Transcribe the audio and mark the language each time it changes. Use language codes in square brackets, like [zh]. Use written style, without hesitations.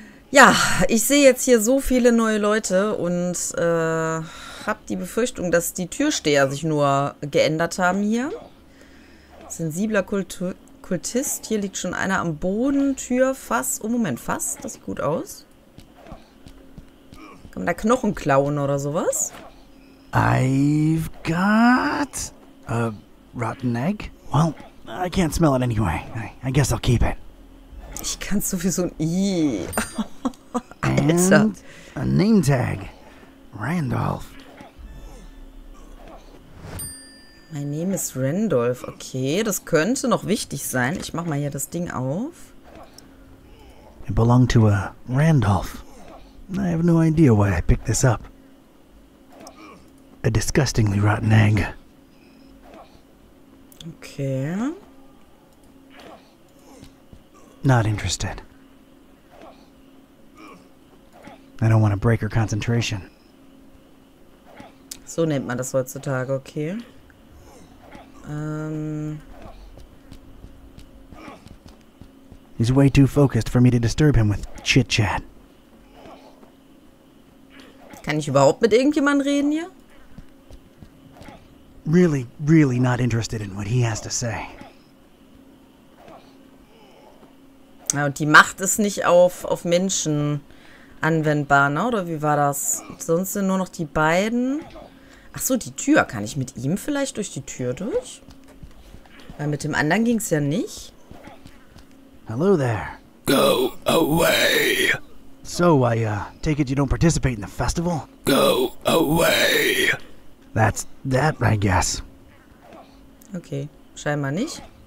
[de] Ja, ich sehe jetzt hier so viele neue Leute und habe die Befürchtung, dass die Türsteher sich nur geändert haben hier. Sensibler Kultist, hier liegt schon einer am Boden. Tür, Fass. Oh Moment, Fass, das sieht gut aus. Kann man da Knochen klauen oder sowas? [en] I've got a rotten egg. Well, I can't smell it anyway. I guess I'll keep it. [de] Ich kann sowieso ein I. Alter. [en] And a name tag. Randolph. My name is Randolph. [de] Okay, das könnte noch wichtig sein. Ich mach mal hier das Ding auf. [en] It belonged to a Randolph. I have no idea why I picked this up. A disgustingly rotten egg. Okay. Not interested. I don't want to break her concentration. [de] So nennt man das heutzutage, okay. [en] He's way too focused for me to disturb him with chit-chat. [de] Kann ich überhaupt mit irgendjemandem reden hier? [en] Really, really not interested in what he has to say. [de] Ja, und die Macht ist nicht auf Menschen anwendbar, ne? Oder wie war das? Sonst sind nur noch die beiden. Ach so, die Tür. Kann ich mit ihm vielleicht durch die Tür durch? Weil mit dem anderen ging es ja nicht. [en] Hello there. Go away. So, I take it you don't participate in the festival? Go away. That's that, I guess. [de] Okay, scheinbar nicht.